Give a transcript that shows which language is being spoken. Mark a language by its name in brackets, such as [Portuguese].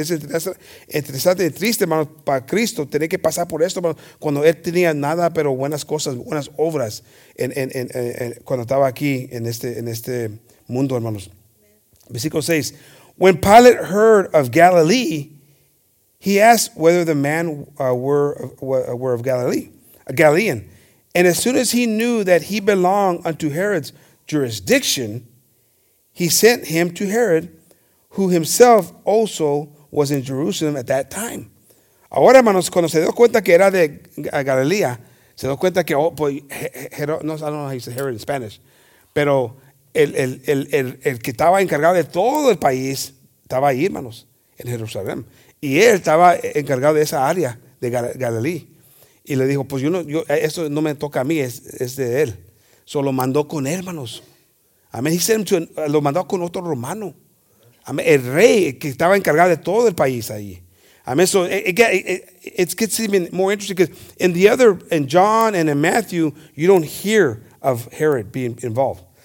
[Spanish] Es interesante y triste, hermano, para Cristo tener que pasar por esto, hermano, cuando él tenía nada pero buenas cosas, buenas obras en cuando estaba aquí en este mundo, hermanos. Versículo 6. [English] When Pilate heard of Galilee, he asked whether the man were of Galilee, a Galilean. And as soon as he knew that he belonged unto Herod's jurisdiction, he sent him to Herod, who himself also was in Jerusalem at that time. [Spanish] Ahora, hermanos, cuando se dio cuenta que era de Galilea, se dio cuenta que, oh, pues, Herod, no, [English] I don't know how you say Herod in Spanish, [Spanish] pero el que estaba encargado de todo el país estaba ahí, hermanos, en Jerusalén. Y él estaba encargado de esa área de Galilee. Y le dijo, pues yo eso no me toca a mí, es de él. So lo mandó con él, hermanos. Amén. [English] He sent him [Spanish] lo mandó con otro romano. Amén. El rey que estaba encargado de todo el país ahí. Amén. [English] So it gets even more interesting because in John and in Matthew, you don't hear of Herod being involved.